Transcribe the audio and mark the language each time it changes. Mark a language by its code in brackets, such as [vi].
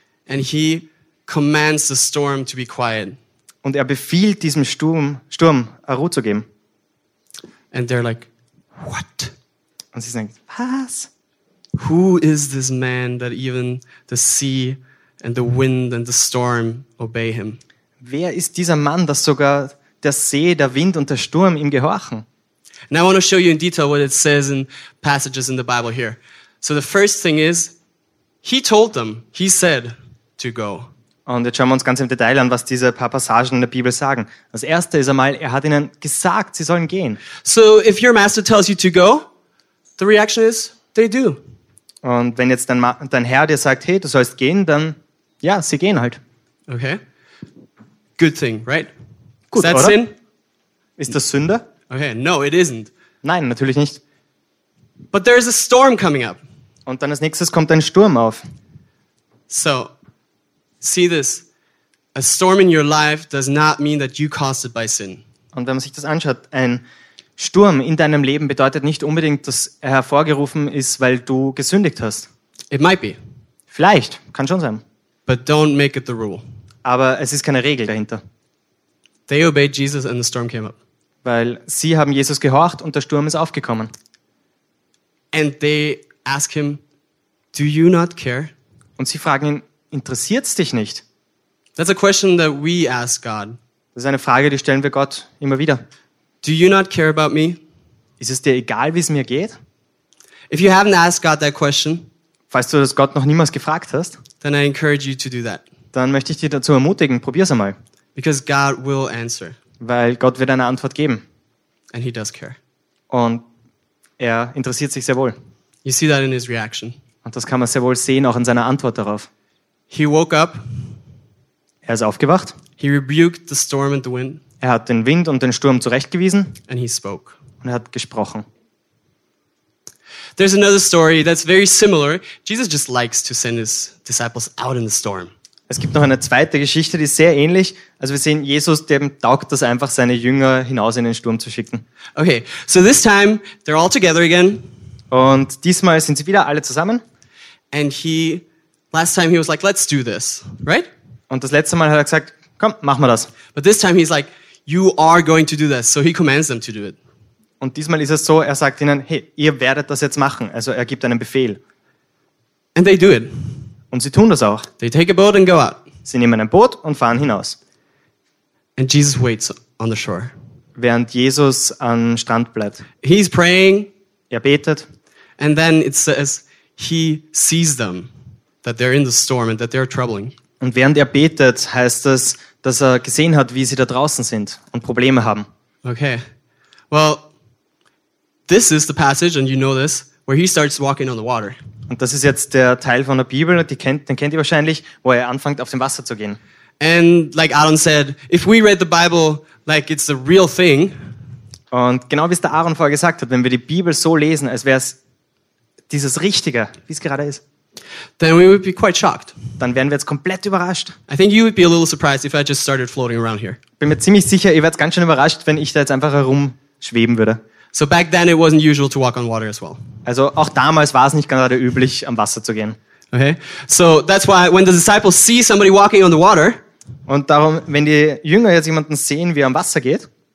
[en] And he commands the storm to be quiet. [de] Und er befiehlt diesem Sturm Ruhe zu geben. [en] And they're like, "What?" [de] Und sie sagen, was? [en] Who is this man that even the sea and the wind and the storm obey him? [de] Wer ist dieser Mann, dass sogar der See, der Wind und der Sturm ihm gehorchen? [en] Now I want to show you in detail what it says in passages in the Bible here. So the first thing is, he told them, he said to go. [de] Und jetzt schauen wir uns ganz im Detail an, was diese paar Passagen in der Bibel sagen. Das erste ist einmal, er hat ihnen gesagt, sie sollen gehen. [en] So if your master tells you to go, the reaction is, they do. [de] Und wenn jetzt dein Herr dir sagt, hey, du sollst gehen, dann, ja, sie gehen halt. [en] Okay. Good thing, right? [de] Gut, [en] is that [de] oder? [en] Sin? [de] Ist das Sünde? [en] Okay, no, it isn't. [de] Nein, natürlich nicht. [en] But there is a storm coming up. [de] Und dann als nächstes kommt ein Sturm auf. [en] So, see this. A storm in your life does not mean that you caused it by sin. [de] Und wenn man sich das anschaut, ein Sturm in deinem Leben bedeutet nicht unbedingt, dass er hervorgerufen ist, weil du gesündigt hast. [en] It might be. [de] Vielleicht, kann schon sein. [en] But don't make it the rule. [de] Aber es ist keine Regel dahinter. [en] They obeyed Jesus and the storm came up. [de] Weil sie haben Jesus gehorcht und der Sturm ist aufgekommen. [en] And they ask him, "Do you not care?" [de] Und sie fragen ihn, interessiert's dich nicht? [en] That's a question that we ask God. [de] Das ist eine Frage, die stellen wir Gott immer wieder. [en] Do you not care about me? [de] Ist es dir egal, wie es mir geht? [en] If you haven't asked God that question, [de] falls du das Gott noch niemals gefragt hast, [en] then I encourage you to do that. [de] Dann möchte ich dich dazu ermutigen, probier's einmal. [en] Because God will answer. [de] Weil Gott wird eine Antwort geben. [en] And he does care. [de] Und er interessiert sich sehr wohl. [en] You see that in his reaction. [de] Und das kann man sehr wohl sehen, auch in seiner Antwort darauf. [en] He woke up. [de] Er ist aufgewacht. [en] He rebuked the storm and the wind. [de] Er hat den Wind und den Sturm zurechtgewiesen. [en] And he spoke. [de] Und er hat gesprochen. [en] There's another story that's very similar. Jesus just likes to send his disciples out in the storm. [de] Es gibt noch eine zweite Geschichte, die ist sehr ähnlich. Also wir sehen, Jesus, dem taugt das einfach, seine Jünger hinaus in den Sturm zu schicken. [en] Okay, so this time, they're all together again. [de] Und diesmal sind sie wieder alle zusammen. [en] And he, last time he was like, "Let's do this," right? [de] Und das letzte Mal hat er gesagt, komm, machen wir das. [en] But this time he's like, "You are going to do this." So he commands them to do it. [de] Und diesmal ist es so, er sagt ihnen, hey, ihr werdet das jetzt machen. Also er gibt einen Befehl. [en] And they do it. [de] Und sie tun das auch. [en] They take a boat and go out. [de] Sie nehmen ein Boot und fahren hinaus. [en] And Jesus waits on the shore. [de] Während Jesus am Strand bleibt. [en] He's praying. [de] Er betet. [en] And then it says he sees them, that they're in the storm and that they're troubling. [de] Und während er betet, heißt es, dass er gesehen hat, wie sie da draußen sind und Probleme haben. [en] Okay. Well, this is the passage, and you know this, where he starts walking on the water. [de] Und das ist jetzt der Teil von der Bibel, den kennt ihr wahrscheinlich, wo er anfängt, auf dem Wasser zu gehen. [en] And like Aaron said, if we read the Bible like it's the real thing. [de] Und genau wie es der Aaron vorher gesagt hat, wenn wir die Bibel so lesen, als wäre es dieses Richtige, wie es gerade ist. [en] Then we would be quite shocked. [de] Dann wären wir jetzt komplett überrascht. [en] I think you would be a little surprised if I just started floating around here. [de] Bin mir ziemlich sicher, ihr wärt ganz schön überrascht, wenn ich da jetzt einfach herumschweben würde. [en] So back then it wasn't usual to walk on water as well. [de] Also auch damals war es nicht gerade üblich, am Wasser zu gehen. [en] Okay, so that's why when the disciples see somebody walking on the water. [de] Und darum, wenn die Jünger jetzt jemanden sehen, wie er am Wasser geht.